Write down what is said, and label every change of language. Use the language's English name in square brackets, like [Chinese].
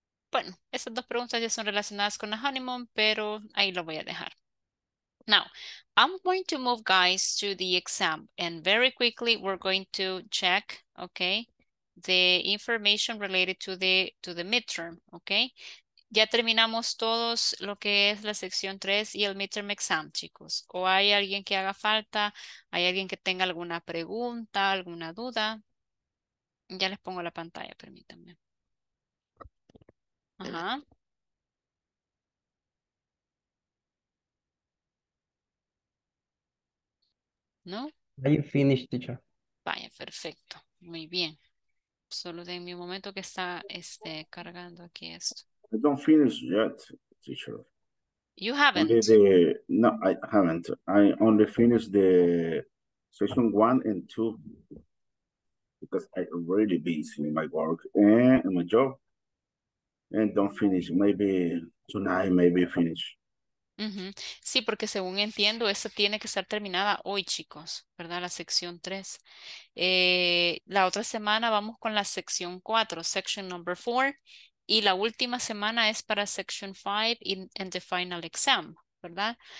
[Spanish] Bueno, esas dos preguntas ya son relacionadas con la honeymoon, pero ahí lo voy a dejar. [English] Now, I'm going to move, guys, to the exam. And very quickly, we're going to check, okay, the information related to the midterm, okay? [Spanish] Ya terminamos todos lo que es la sección 3 y el midterm exam, chicos. ¿O hay alguien que haga falta? ¿Hay alguien que tenga alguna pregunta, alguna duda? Ya les pongo la pantalla, permítanme. Ajá. ¿No? [English] Are you finished, teacher? [Spanish] Vaya, perfecto. Muy bien. Solo de mi momento que está cargando aquí esto. [English] I don't finish yet, teacher. You haven't? No, I haven't. I only finished the session 1 and 2 because I'm really busy in my work and my job. And don't finish. Maybe tonight, maybe finish. Mm-hmm. [Spanish] Sí, porque según entiendo, esa tiene que estar terminada hoy, chicos, ¿verdad? La sección 3. La otra semana vamos con la sección 4, [English] section number 4. [Spanish] Y la última semana es para [English] section 5 and the final exam, [Spanish] ¿verdad?